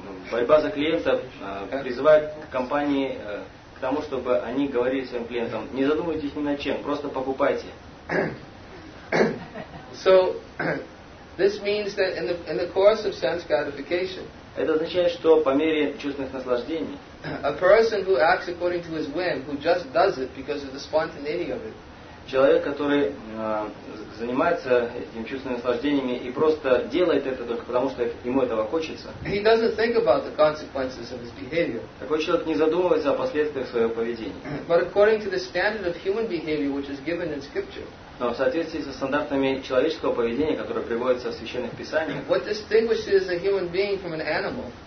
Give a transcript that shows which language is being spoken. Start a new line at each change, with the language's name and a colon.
Russian: Борьба за клиентов призывает компании к тому, чтобы они говорили своим клиентам: не задумывайтесь ни над чем, просто покупайте.
English: So, this means that in the course of sense gratification,
Russian: это означает, что по мере чувственных наслаждений,
English: a person who acts according to his whim, who just does it because of the spontaneity of it,
Russian: человек, который занимается этим чувственными наслаждениями и просто делает это только потому, что ему этого хочется,
English: he doesn't think about the consequences of his behavior.
Russian: Такой человек не задумывается о последствиях своего поведения.
English: But according to the standard of human behavior, which is given in scripture,
Russian: но в соответствии со стандартами человеческого поведения, которое приводится в священных писаниях,
English: what distinguishes a human being from an animal,